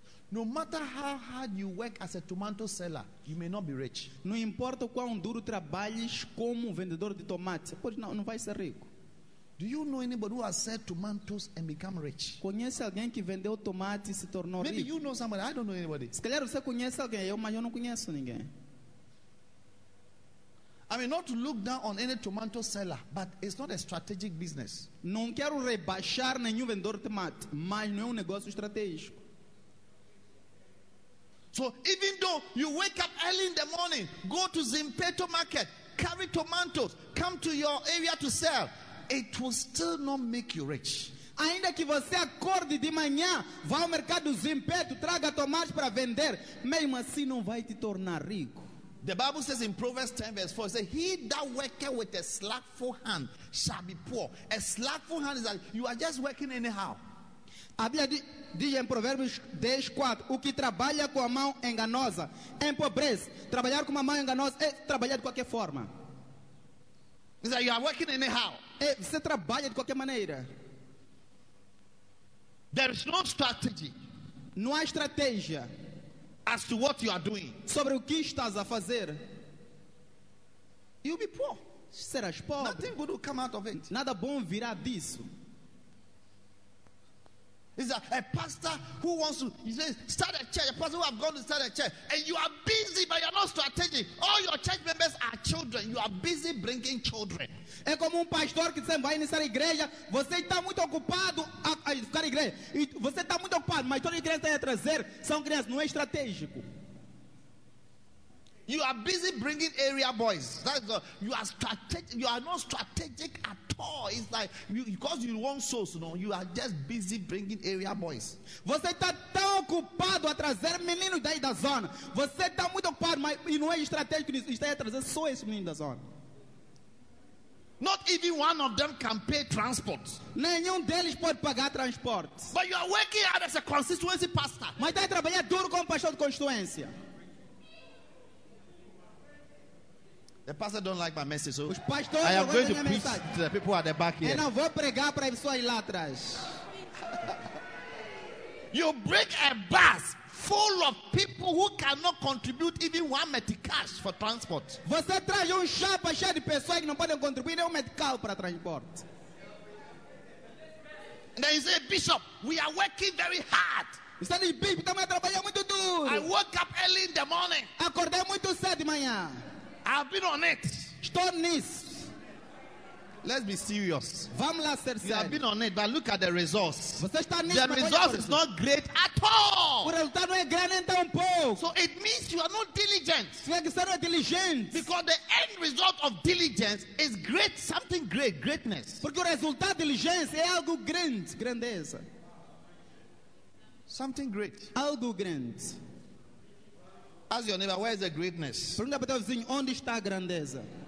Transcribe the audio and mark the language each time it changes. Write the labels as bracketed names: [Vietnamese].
[English] No matter how hard you work as a tomato seller, you may not be rich. [Portuguese] Não importa quão duro trabalhes como vendedor de tomate, pois não vai ser rico. [English] Do you know anybody who has sold tomatoes and become rich? [Portuguese] Conhece alguém que vendeu tomate e se tornou rico? [English] Maybe you know somebody. I don't know anybody. [Portuguese] Se calhar você conhece alguém, mas eu não conheço ninguém. [English] I mean, not to look down on any tomato seller, but it's not a strategic business. [Portuguese] Não quero rebaixar nenhum vendedor de tomate, mas não é negócio estratégico. [English] So even though you wake up early in the morning, go to Zimpeto market, carry tomatoes, come to your area to sell, it will still not make you rich. [Portuguese] Ainda que você acorde de manhã, vá ao mercado Zimpeto, traga tomates para vender, mesmo assim não vai te tornar rico. [English] The Bible says in Proverbs 10 verse 4, it says, he that worketh with a slothful hand shall be poor. A slothful hand is that you are just working anyhow. [Portuguese] A Bíblia diz em Provérbios 10, 4, o que trabalha com a mão enganosa empobrece. Trabalhar com uma mão enganosa é trabalhar de qualquer forma. [English] It's like you are working anyhow. [Portuguese] É, você trabalha de qualquer maneira. [English] There is no strategy. [Portuguese] Não há estratégia. [English] As to what you are doing. [Portuguese] Sobre o que estás a fazer. [English] You'll be poor. [Portuguese] Serás pobre. [English] Nothing good will come out of it. [Portuguese] Nada bom virá disso. [English] Is a pastor who wants to start a church, a pastor who has gone to start a church, and you are busy, but you are not strategic. All your church members are children. You are busy bringing children. [Portuguese] É como pastor que vai iniciar a igreja. Você está muito ocupado a ficar na igreja. Você está muito ocupado, mas toda a igreja está a trazer. São crianças, não é estratégico. [English] You are busy bringing area boys. That's you are strategic. You are not strategic at all. It's like you, because you want souls, no? You are just busy bringing area boys. [Portuguese] Você está tão ocupado a trazer meninos daí da zona. Você está muito ocupado, mas não é estratégico nisso. Está a trazer só esse menino da zona. [English] Not even one of them can pay transport. [Portuguese] Nenhum deles pode pagar transporte. [English] But you are working hard as a constituency pastor. [Portuguese] Mas está a trabalhar duro como pastor de constituência. [English] The pastor don't like my message, so [Portuguese] os pastores [English] I am going to preach [Portuguese] mensagem. [English] To the people at the back here. [Portuguese] Eu não vou pregar para pessoas lá atrás. [English] You break a bus full of people who cannot contribute even one medicash for transport. [Portuguese] Você traz chapa cheia de pessoas que não podem contribuir nem medical para transporte. [English] And then you say, Bishop, we are working very hard. [Portuguese] Está ali, Bishop, estamos a trabalhar muito duro. [English] I woke up early in the morning. [Portuguese] Acordei muito cedo de manhã. [English] I've been on it. [Portuguese] Estou nisso. [English] Let's be serious. [Portuguese] Vamos lá ser sério. [English] You have been on it, but look at the results. [Portuguese] Você está nisso, [English] the results is not great at all. [Portuguese] O resultado não é grande nem tão pouco. [English] So it means you are not diligent. [Portuguese] Você não é diligente. [English] Because the end result of diligence is great, something great, greatness. [Portuguese] Porque o resultado de diligência é algo grande, grandeza. [English] Something great. [Portuguese] Algo grande. [English] Ask your neighbor, where is the greatness? [Portuguese] Pergunta para o vizinho, onde está a grandeza?